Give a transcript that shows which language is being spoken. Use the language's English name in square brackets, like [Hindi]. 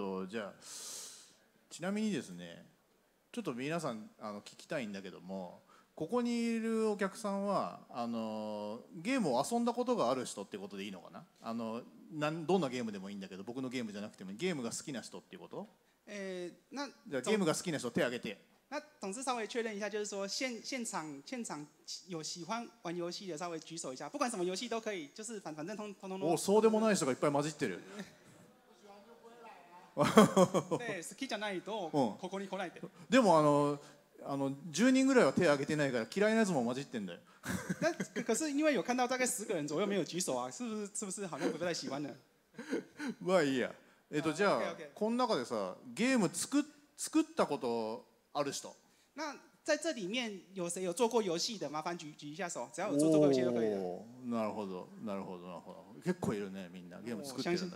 [Japanese] じゃあちなみにですね、ちょっと皆さん聞きたいんだけども、ここにいるお客さんはゲームを遊んだことがある人ってことでいいのかな？どんなゲームでもいいんだけど、僕のゲームじゃなくてもゲームが好きな人っていうこと？ [Chinese] 那 [Japanese] じゃあゲームが好きな人手挙げて。 [Chinese] 那董事稍微确认一下，就是说现场有喜欢玩游戏的，稍微举手一下，不管什么游戏都可以，就是反正通。 [Japanese] 哦，そうでもない人がいっぱい混じってる。对，好きじゃないとここに来ないで。でも10人ぐらいは手挙げてないから嫌いなやつも混じってんだよ。 [Chinese] 那可是因为有看到大概十个人左右没有举手啊，是不是好像不太喜欢的？ [Japanese] まあいいや。じゃあ、この中でさ、ゲーム作ったことある人。 [Chinese] 那在这里面有谁有做过游戏的？麻烦举一下手，只要有做过游戏就可以了。 [Japanese] なるほど、なるほど、なるほど。結構いるね、みんなゲーム作ってるんだ。